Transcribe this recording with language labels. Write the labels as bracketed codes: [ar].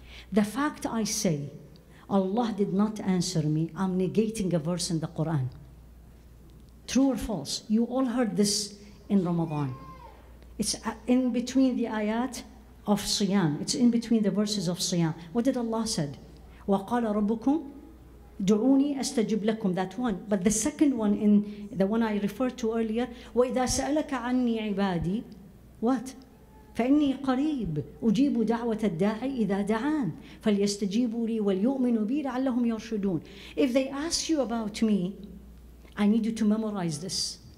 [en] The fact I say, Allah did not answer me, I'm negating a verse in the Quran. True or false? You all heard this in Ramadan. It's in between the ayat of Siyam. It's in between the verses of Siyam. What did Allah said? [ar] وَقَالَ رَبُّكُمْ دعوني أستجب لكم, [en] that one. But the second one, in the one I referred to earlier, [ar] وَإِذَا سَأَلَكَ عَنِّي عِبَادِي, [en] what? [ar] فَإِنِّي قَرِيبُ أُجِيبُ دَعْوَةَ الدَّاعِ إِذَا دَعَانَ فَلْيَسْتَجِيبُوا لِي وَلْيُؤْمِنُوا بِي لَعَلَّهُمْ يَرْشُدُونَ. [en] If they ask you about me, I need you to memorize this.